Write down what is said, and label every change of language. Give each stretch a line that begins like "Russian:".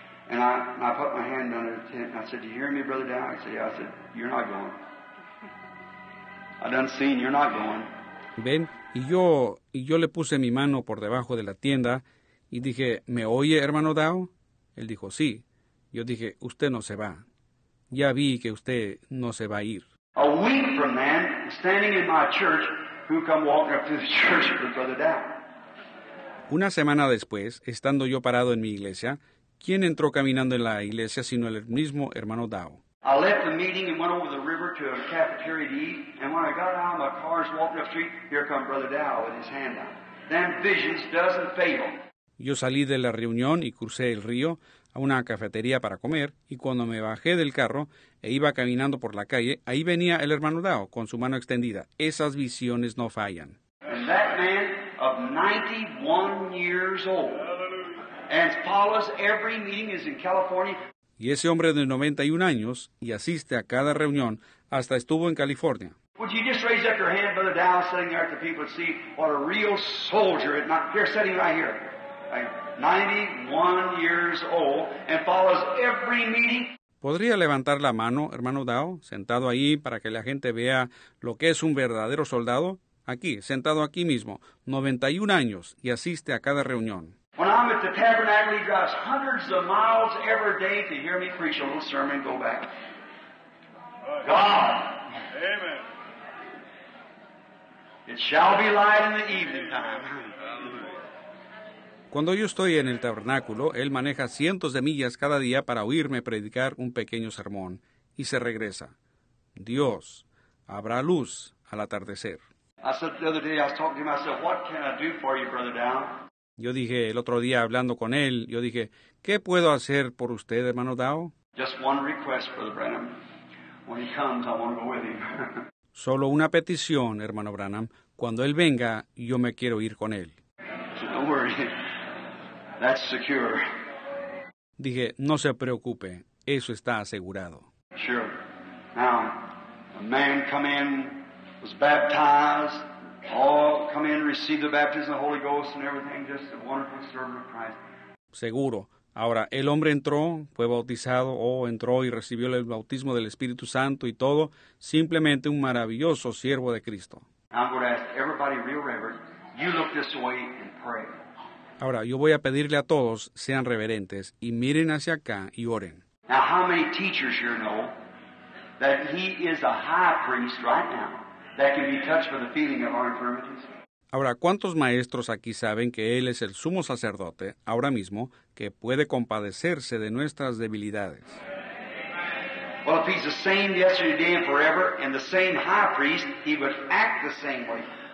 English: And I put my hand under the tent, and I said, do you hear me, Brother Dow? I said, you're not going. I done seen, you're not going.
Spanish: Ven, y yo le puse mi mano por debajo de la tienda, y dije, ¿me oye, hermano Dow? Él dijo, sí. Yo dije, usted no se va. Ya vi que usted no se va a ir.
English: A week from then, standing in my church, who come walking up to the church with Brother Dow?
Spanish: Una semana después, estando yo parado en mi iglesia, ¿quién entró caminando en la iglesia sino el mismo hermano Dow?
English: I left the meeting and went over the river to a cafeteria to eat, and when I got out of my car and walked up the street, here come Brother Dow with his hand out. Them visions doesn't fail.
Spanish: Yo salí de la reunión y crucé el río a una cafetería para comer, y cuando me bajé del carro e iba caminando por la calle, ahí venía el hermano Dow con su mano extendida. Esas visiones no fallan.
English: And that man of 91 years old, and follows every meeting is in California.
Spanish: Y ese hombre de 91 años y asiste a cada reunión, hasta estuvo en California.
English: Would you just raise up your hand, Brother Dow, sitting there at the people, and see what a real soldier, not here, sitting right here. 91 years old and follows every meeting.
Spanish: ¿Podría levantar la mano, hermano Dow, sentado ahí para que la gente vea lo que es un verdadero soldado? Aquí, sentado aquí mismo, 91 años y asiste a cada reunión.
English: When I'm at the tabernacle, he drives hundreds of miles every day to hear me preach a little sermon, go back. God. Amen. It shall be light in the evening time.
Spanish: Cuando yo estoy en el tabernáculo, él maneja cientos de millas cada día para oírme predicar un pequeño sermón y se regresa. Dios, habrá luz al atardecer.
English: I said the other day, I was talking to him, I said, what can I do for you, Brother Down?
Spanish: Yo dije el otro día hablando con él, yo dije, ¿qué puedo hacer por usted, hermano Dao?
English: Just one request, Brother Branham. When he comes, I want to go with him.
Spanish: Solo una petición, hermano Branham. Cuando él venga, yo me quiero ir con él.
English: So don't worry. That's secure.
Spanish: Dije, no se preocupe, eso está asegurado.
English: Sure. Now, a man come in, was baptized. All come in, receive the baptism of the Holy Ghost and everything, just a wonderful servant of Christ.
Spanish: Seguro. Ahora, el hombre entró, fue bautizado, entró y recibió el bautismo del Espíritu Santo y todo, simplemente un maravilloso siervo de Cristo.
English: I'm going to ask everybody real reverent, you look this way and pray.
Spanish: Ahora, yo voy a pedirle a todos, sean reverentes, y miren hacia acá y oren.
English: Now, how many teachers here know that he is a high priest right now? That can be touched by the feeling of our infirmities.
Spanish: Ahora, ¿cuántos maestros aquí saben que él es el sumo sacerdote, ahora mismo, que puede compadecerse de nuestras debilidades?
English: Well, if he's the same yesterday, today, and forever, and the same high priest, he would act the same way.